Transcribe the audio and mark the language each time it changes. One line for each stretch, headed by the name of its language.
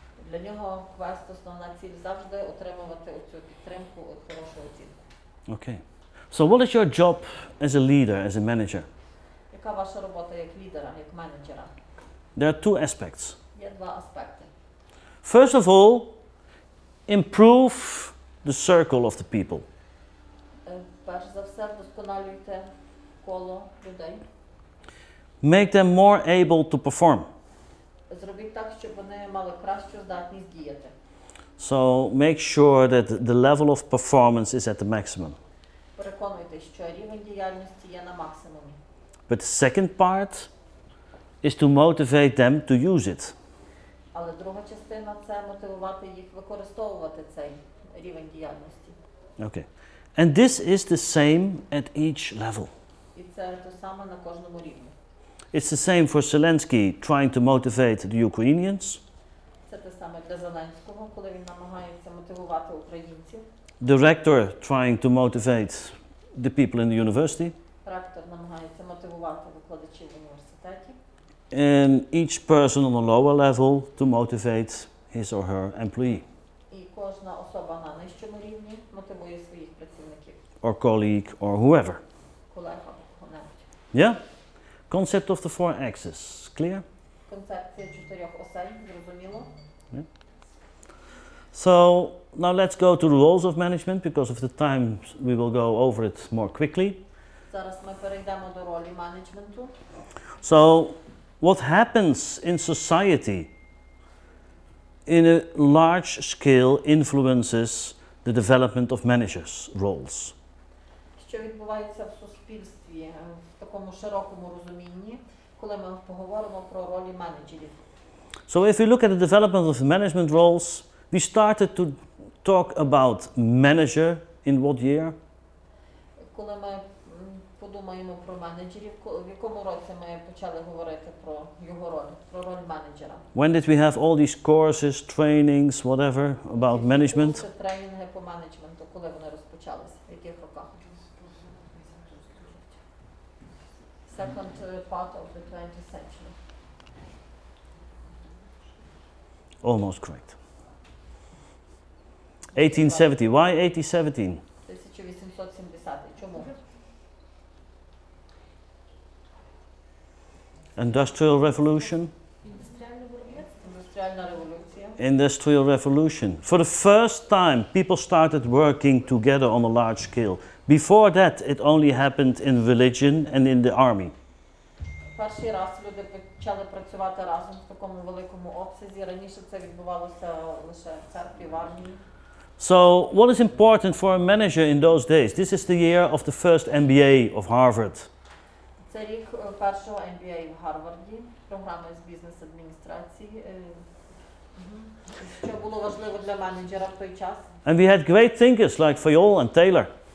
Ukrainian: Для нього квест, основна ціль завжди отримувати оцю підтримку, хорошу оцінку.
English: Okay. So what is your job as a leader, as a manager?
Ukrainian: Яка ваша робота як лідера, як менеджера?
English: There are two aspects.
Ukrainian: Є два аспекти.
English: First of all, improve the circle of the people.
Ukrainian: Перш за все, вдосконалюйте коло людей.
English: Make them more able to perform.
Ukrainian: Зробіть так, щоб вони мали кращу здатність діяти.
English: So make sure that the level of performance is at the maximum.
Ukrainian: Переконуйтесь, що рівень діяльності є на максимумі.
English: But the second part is to motivate them to use it.
Ukrainian: Але друга частина – це мотивувати їх використовувати цей рівень діяльності.
English: Okay. And this is the same at each level.
Ukrainian: І це те саме на кожному рівні.
English: It's the same for Zelensky trying to motivate the Ukrainians.
Ukrainian: Це те саме для Зеленського, коли він намагається мотивувати українців.
English: Director trying to motivate the people in the university.
Ukrainian: Ректор намагається мотивувати викладачів в університеті.
English: And each person on a lower level to motivate his or her employee.
Ukrainian: І кожна особа на нижчому рівні мотивує своїх працівників.
English: Or colleague, or whoever.
Ukrainian: Колега, хто-небудь.
English: Yeah? Concept of the four axes. Clear?
Ukrainian: Концепція чотирьох осей, зрозуміло.
English: Yeah. So, now let's go to the roles of management, because of the time we will go over it more quickly.
Ukrainian: Зараз ми перейдемо до ролі менеджменту.
English: So, what happens in society in a large scale influences the development of managers' roles.
Ukrainian: Що відбувається в суспільстві в такому широкому розумінні, коли ми поговоримо про ролі менеджерів?
English: So if we look at the development of the management roles, we started to talk about manager in what year?
Ukrainian: Коли ми думаємо про менеджерів, в якому році ми почали говорити про його роль, про роль менеджера?
English: When did we have all these courses, trainings, whatever about management?
Ukrainian: Коли тренінги по менеджменту, коли вони розпочалися, в яких роках?
English: Second part of the 20th century. Almost correct. 1870. Why 1817?
Ukrainian: 1870. Чому?
English: Industrial Revolution. Industrial Revolution. Industrial Revolution. For the first time, people started working together on a large scale. Before that, it only happened in religion and in the army.
Ukrainian: Перший раз люди почали працювати разом в такому великому обсязі. Раніше це відбувалося лише в церкві, в армії.
English: So, what is important for a manager in those days? This is the year of the first MBA of Harvard.
Ukrainian: Це рік першого MBA в Гарварді, програми з бізнес-адміністрації. Що було важливо для менеджера в той час?
English: And we had great thinkers like Fayol and Taylor.